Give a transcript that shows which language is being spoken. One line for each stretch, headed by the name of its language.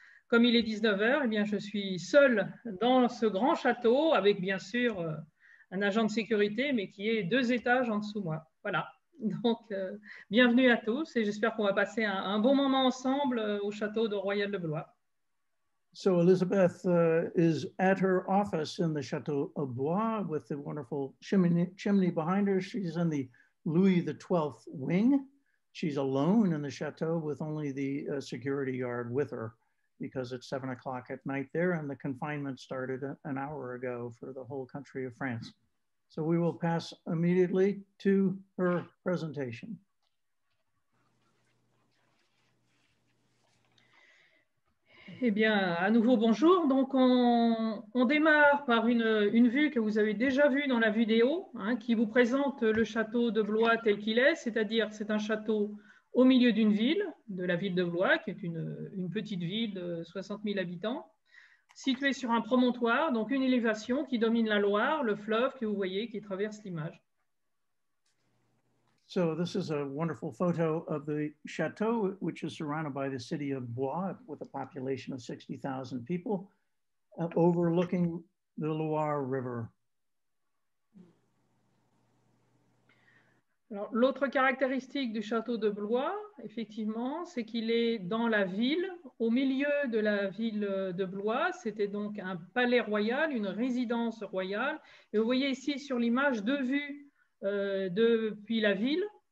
French: Comme il est 19h, eh bien, je suis seule dans ce grand château avec, bien sûr, un agent de sécurité, mais qui est deux étages en dessous de moi. Voilà. Donc, bienvenue à tous et j'espère qu'on va passer un bon moment ensemble au château de Royal de Blois.
English: So Elizabeth is at her office in the Château of Blois with the wonderful chimney behind her. She's in the Louis XII wing. She's alone in the château with only the security guard with her because it's 7 o'clock at night there and the confinement started an hour ago for the whole country of France. So we will pass immediately to her presentation.
French: Eh bien, à nouveau bonjour. Donc, on démarre par une vue que vous avez déjà vue dans la vidéo, hein, qui vous présente le château de Blois tel qu'il est, c'est-à-dire c'est un château au milieu d'une ville, de la ville de Blois, qui est une petite ville de 60 000 habitants, située sur un promontoire, donc une élévation qui domine la Loire, le fleuve que vous voyez qui traverse l'image.
English: So this is a wonderful photo of the château, which is surrounded by the city of Blois with a population of 60,000 people, overlooking the Loire River.
French: Alors, l'autre caractéristique du château de Blois, effectivement, c'est qu'il est dans la ville, au milieu de la ville de Blois. C'était donc un palais royal, une résidence royale. Et vous voyez ici sur l'image deux vues depuis la ville.